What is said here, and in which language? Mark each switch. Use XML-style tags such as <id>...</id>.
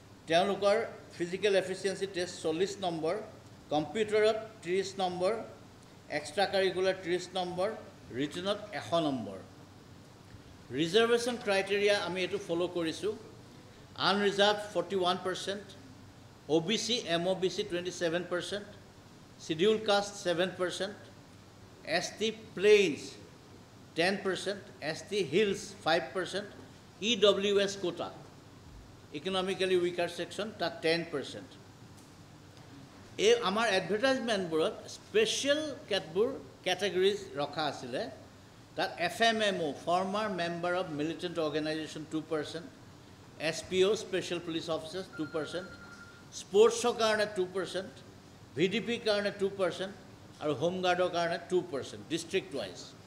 <as>তেওঁলোকৰ physical efficiency test 40 number, কম্পিউটাৰত 30 number, extra curricular 30 number, ৰিটেনত 100 number. Reservation criteria আমি এইটো ফ'ল' কৰিছোঁ, unreserved 41%, OBC MOBC 27%,</as> <en>Scheduled caste 7%, ST plains 10%, ST hills 5%, EWS quota, economically weaker section, 10%.</en> <as>এই আমাৰ এডভাৰটাইজমেণ্টবোৰত special কেটবোৰ কেটাগৰিজ ৰখা আছিলে, তাত F M M O former member of militant organisation 2%, S P O special police officer 2%, স্পৰ্টছৰ কাৰণে 2%, V D পিৰ কাৰণে 2%, আৰু হোমগাৰ্ডৰ কাৰণে 2% ডিষ্ট্ৰিক্ট ৱাইজ।</as>